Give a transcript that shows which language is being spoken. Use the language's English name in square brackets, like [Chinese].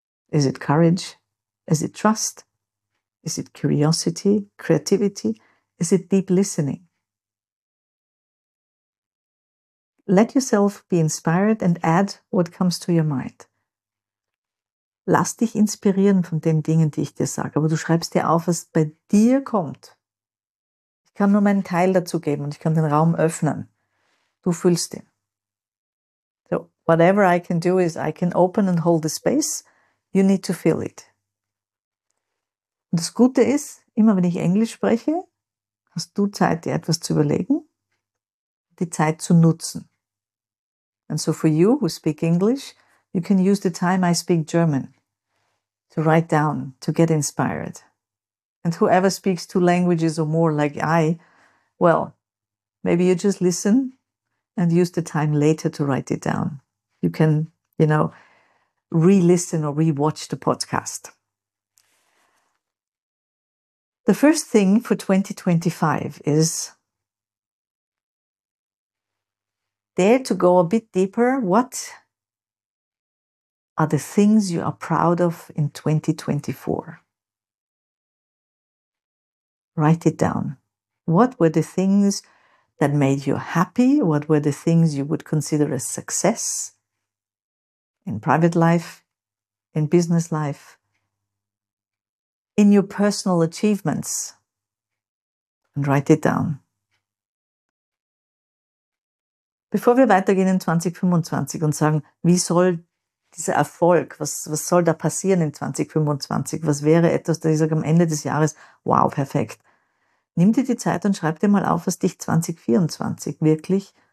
[English] Is it courage? Is it trust? Is it curiosity, creativity? Is it deep listening? Let yourself be inspired and add what comes to your mind. [German] Lass dich inspirieren von den Dingen, die ich dir sage, aber du schreibst dir auf, was bei dir kommt. Ich kann nur meinen Teil dazu geben und ich kann den Raum öffnen. Du fühlst ihn. [English] Whatever I can do is I can open and hold the space. You need to feel it. [German] Und das Gute ist, immer wenn ich Englisch spreche, hast du Zeit, dir etwas zu überlegen, die Zeit zu nutzen. [English] And so for you who speak English, you can use the time I speak German to write down, to get inspired. And whoever speaks two languages or more like I, well, maybe you just listen and use the time later to write it down. You can, you know, re-listen or re-watch the podcast. The first thing for 2025 is dare to go a bit deeper. What are the things you are proud of in 2024? Write it down. What were the things that made you happy? What were the things you would consider a success? In private life, in business life, in your personal achievements, and write it down. [German] Bevor wir weitergehen in 2025 und sagen, wie soll dieser Erfolg, was soll da passieren in 2025, was wäre etwas, das ich sage am Ende des Jahres, wow, perfekt. Nimm dir die Zeit und schreib dir mal auf, was dich 2024 wirklich